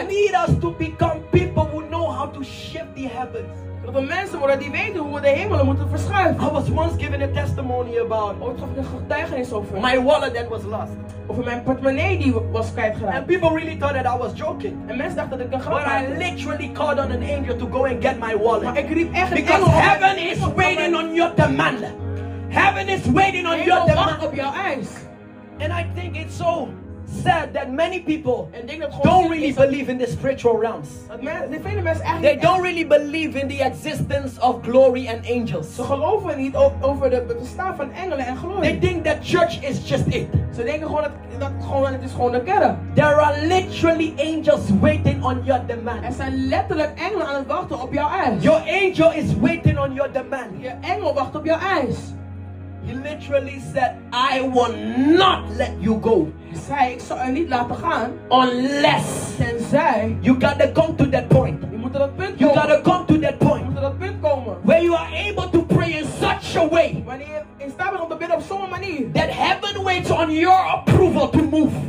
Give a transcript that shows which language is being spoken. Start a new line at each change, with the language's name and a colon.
English: I need us to become people who know how to shift the heavens.
Dutch: Dat we mensen worden die weten hoe we de hemelen moeten verschuiven.
English: I was once given a testimony about.
Dutch: Ooit gaf ik een getuigenis over.
English: My wallet that was lost.
Dutch: Over mijn portemonnee die was kwijtgeraakt.
English: And people really thought that I was joking.
Dutch: En mensen dachten dat ik een grap maakte.
English: But I literally called on an angel to go and get my wallet.
Dutch: Maar ik riep echt
English: een because heaven is waiting on your demand. Heaven is waiting on your demand.
Dutch: Wacht op jouw eis.
English: And I think it's so sad that many people don't really believe in the spiritual realms. They don't really believe in the existence of glory and angels.
Dutch: Ze geloven niet over de bestaan van engelen en glorie.
English: They think that church is just it.
Dutch: Ze denken gewoon dat het is gewoon de kerk.
English: There are literally angels waiting on your demand.
Dutch: Er zijn letterlijk engelen aan het wachten op jouw eis.
English: Your angel is waiting on your demand.
Dutch: Je engel wacht op jouw eis.
English: He literally said, I will not let you go.
Dutch: Hij zei, ik zal u niet laten gaan.
English: Unless.
Dutch: Tenzij.
English: You gotta come to that point.
Dutch: Je moet dat punt komen.
English: You gotta come to that point.
Dutch: Je moet dat punt komen.
English: Where you are able to pray in such a way.
Dutch: Wanneer je in staat bent om te bidden op zo'n manier.
English: That heaven waits on your approval to move.